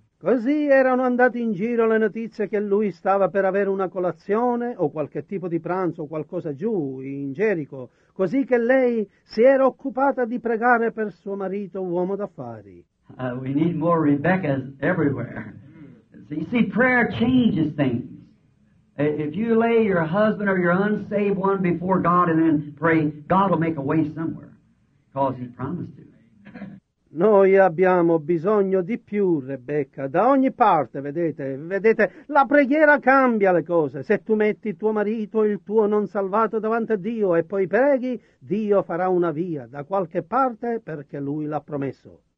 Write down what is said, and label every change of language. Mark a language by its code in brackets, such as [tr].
[it] Così erano andate in giro le notizie che lui stava per avere una colazione o qualche tipo di pranzo o qualcosa giù in Gerico, così che lei si era occupata di pregare per suo marito, uomo d'affari. [en] We need more Rebeccas everywhere. You see, prayer changes things. If you lay your husband or your unsaved one before God and then pray, God will make a way somewhere, because he promised to. [it] Noi abbiamo bisogno di più, Rebecca, da ogni parte, vedete, la preghiera cambia le cose. Se tu metti tuo marito, il tuo non salvato davanti a Dio e poi preghi, Dio farà una via da qualche parte perché lui l'ha promesso.